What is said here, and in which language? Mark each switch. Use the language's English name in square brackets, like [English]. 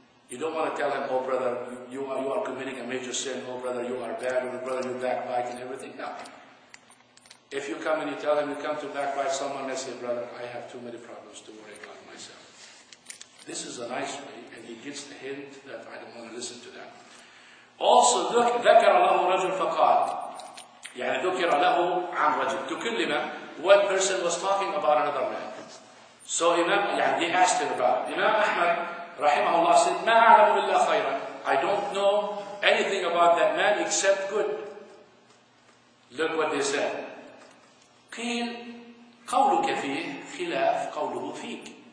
[English] You don't want to tell him, oh brother, you are committing a major sin, oh brother, you are bad, oh brother, you backbite and everything. No. If you come and you tell him, you come to backbite someone, they say, brother, I have too many problems to worry about myself. This is a nice way, and he gets the hint that I don't want to listen to that. Also, [Arabic] ذكر له رجل فقال, يعني ذكر له عن رجل, تكلمه. [English] One person was talking about another man. So Imam, yeah, they asked him about it. Imam Ahmad, rahimahullah, said, [Arabic] مَا أَعْلَمُ بِاللَّهِ خَيْرًا. [English] I don't know anything about that man except good. Look what they said. [Arabic] قِيل قَوْلُكَ فِيهِ خِلَافْ قَوْلُهُ فِيكَ.